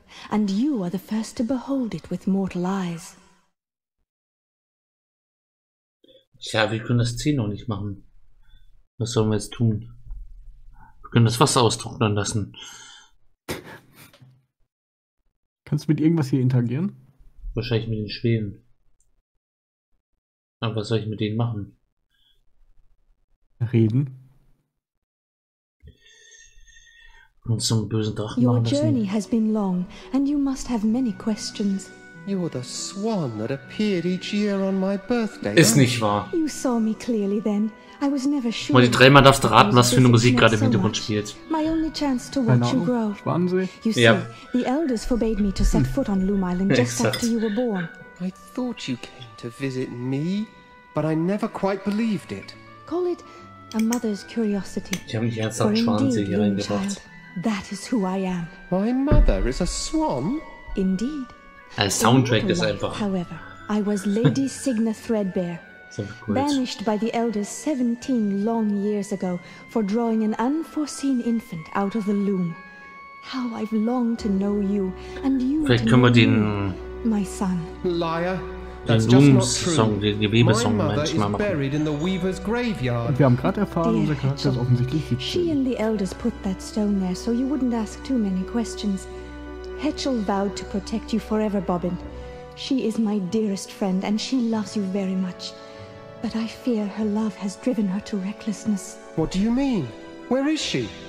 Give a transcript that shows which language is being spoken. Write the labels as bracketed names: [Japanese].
[English] And you are the first to behold it with mortal eyes. [German] Tja, wir können das Ziel noch nicht machen. Was sollen wir jetzt tun? Wir können das Wasser austrocknen lassen. Kannst du mit irgendwas hier interagieren? Wahrscheinlich mit den Schweden. Aber was soll ich mit denen machen? Reden. Und zum bösen Drachen [English] your journey has been long, and you must have many questions. You're the swan that appeared each year on my birthday. [German] Ist nicht wahr. [English] You saw me clearly then. I was never sure. [German] Mal die drei Mal darfst du raten, was für eine Musik gerade im Hintergrund spielt. [English] My only chance to watch you grow. [German] Wahnsinn. Ja. [English] The elders forbade me to set foot on Loom Island just after you were born. I thought you came to visit me, but I never quite believed it. Call it a mother's curiosity. [German] Ich habe mich ernsthaft Schwanensee hier reingebracht. [English] That is who I am. My mother is a swan. Indeed. [German] Der Soundtrack ist einfach. [English] However, I was Lady Signa Threadbare, banished by the elders 17 long years ago for drawing an unforeseen infant out of the loom. How I've longed to know you and you. [German] Vielleicht können wir den, [English] my son. Liar. [German] Den Looms-Song, den Gewebesong manchmal machen. Und wir haben gerade erfahren, unser Charakter ist offensichtlich Hetchel. [English] She and the elders put that stone there, so you wouldn't ask too many questions. Hetchel vowed to protect you forever, Bobbin. She is my dearest friend and she loves you very much. But I fear her love has driven her to recklessness. What do you mean? Where is she?